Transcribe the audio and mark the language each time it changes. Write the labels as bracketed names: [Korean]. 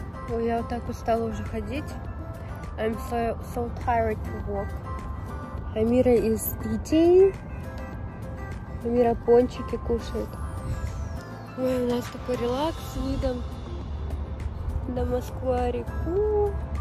[Russian] Ой, я вот так устала уже ходить. [English] I'm so tired to walk. Амира is eating. [Russian] Мира пончики кушает. Ой, у нас такой релакс с видом на Москва-реку.